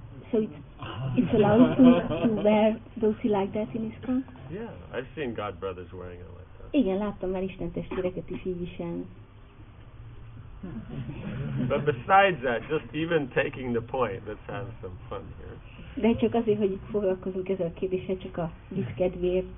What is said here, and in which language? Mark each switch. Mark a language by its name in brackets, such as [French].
[English] So it's allowed to wear dhoti like that in ISKCON? Yeah, I've seen God brothers wearing it like that. [Hungarian] Igen, láttam már Isten testvéreket is így viselni. [English] But besides that, just even taking the point, let's have some fun here. [Hungarian] De csak azért, hogy foglalkozunk ezzel a kérdéssel, csak a viszkedvéért.